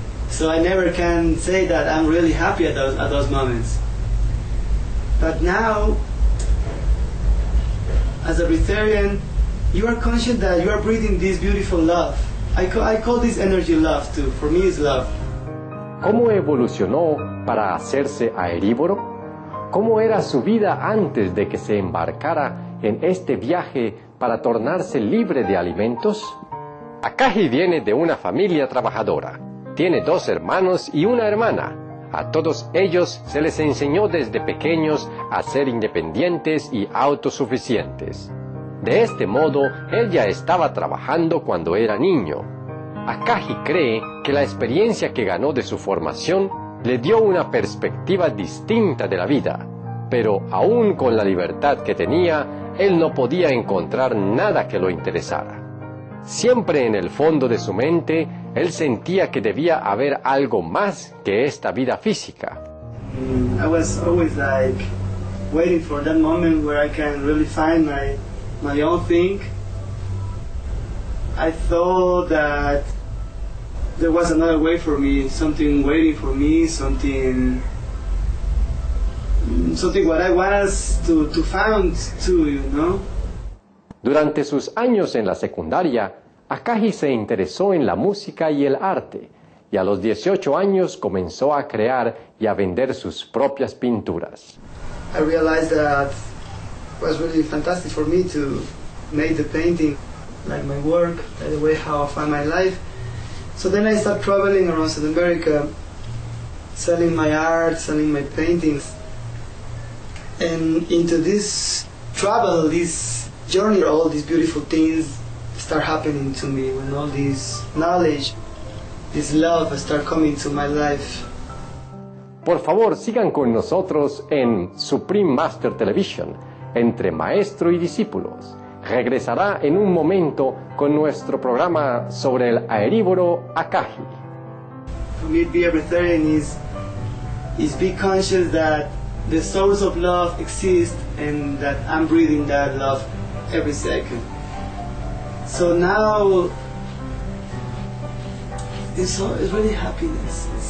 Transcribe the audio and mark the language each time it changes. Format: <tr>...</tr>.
<en>So I never can say that I'm really happy at those moments. But now, as a breatharian, you are conscious that you are breathing this beautiful love. I call this energy love too. For me, it's love.</en> <es>¿Cómo evolucionó para hacerse aerívoro? ¿Cómo era su vida antes de que se embarcara en este viaje para tornarse libre de alimentos? Akagi viene de una familia trabajadora. Tiene dos hermanos y una hermana. A todos ellos se les enseñó desde pequeños a ser independientes y autosuficientes. De este modo, él ya estaba trabajando cuando era niño. Akagi cree que la experiencia que ganó de su formación le dio una perspectiva distinta de la vida, pero aún con la libertad que tenía, él no podía encontrar nada que lo interesara. Siempre en el fondo de su mente, él sentía que debía haber algo más que esta vida física.</es> <en>I was always like waiting for that moment where I can really find my own thing. I thought that there was another way for me, something waiting for me, something what I was to found to, you know.</en> <es>Durante sus años en la secundaria, Akagi se interesó en la música y el arte, y a los 18 años comenzó a crear y a vender sus propias pinturas.</es> <en>I realized that it was really fantastic for me to make the painting, like my work, the way how I find my life. So then I started traveling around South America, selling my art, selling my paintings. And into this travel, this journey, all these beautiful things start happening to me, when all this knowledge, this love start coming to my life.</en> <es>Por favor, sigan con nosotros en Supreme Master Television, Entre Maestro y Discípulos. Regresará en un momento con nuestro programa sobre el aerívoro Akagi.</es> <en>For me, be a breatharian is be conscious that the source of love exists and that I'm breathing that love every second. So now, it's really happiness.</en>